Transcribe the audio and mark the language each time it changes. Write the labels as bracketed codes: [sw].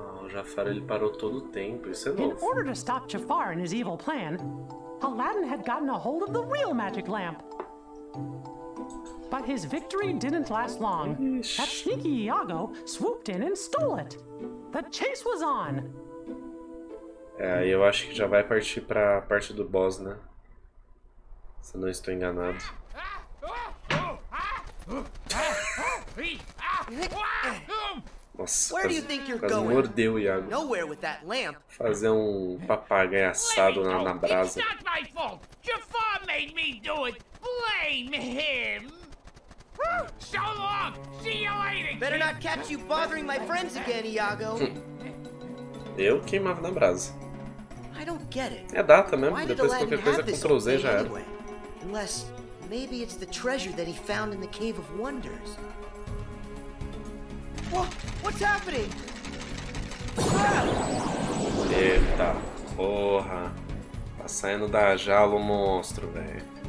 [pt] Jafar, ele parou todo o tempo. Isso é novo. [en] In order to stop Jafar and his evil plan, Aladdin had gotten a hold of the real magic lamp. But his victory didn't last long. Ish. That sneaky Iago swooped in and stole it. The chase was on. [pt] É, eu acho que já vai partir pra parte do boss, né? Se eu não estou enganado. Nossa, [en] where do you think you're going? [pt] Mordeu, Iago. [en] Nowhere with that lamp. [pt] Fazer um papagaio assado na brasa. [en] It's not my fault. Jafar made me do it. Blame him. So long. See you later. Better not catch you bothering my friends again, Iago. [pt] Eu queimava na brasa. [en] I don't get it. [pt] É data mesmo. Depois qualquer coisa com Ctrl Z já era. [en] Unless maybe it's the treasure that he found in the Cave of Wonders. What's happening? [pt] Ah! Eita porra! Tá saindo da jaula o monstro, velho.